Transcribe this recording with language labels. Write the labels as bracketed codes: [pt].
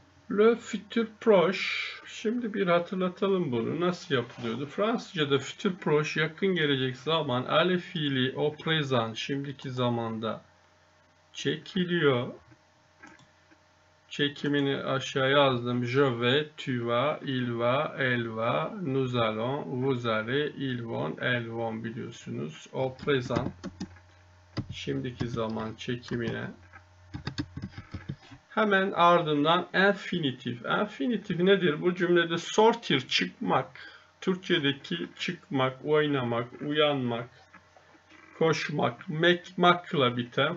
[fr] Le futur proche, [tr] şimdi bir hatırlatalım bunu, nasıl yapılıyordu? Fransızca'da futur proche, yakın gelecek zaman, ale fiili, [fr] au présent, [tr] şimdiki zamanda çekiliyor. Çekimini aşağı yazdım. [fr] Je vais, tu vas, il va, elle va, nous allons, vous allez, ils vont, elles vont, [tr] biliyorsunuz. [fr] Au présent, [tr] şimdiki zaman çekimine. Hemen ardından infinitive. Infinitive nedir? Bu cümlede sortir, çıkmak. Türkçedeki çıkmak, oynamak, uyanmak, koşmak, mekmakla biten.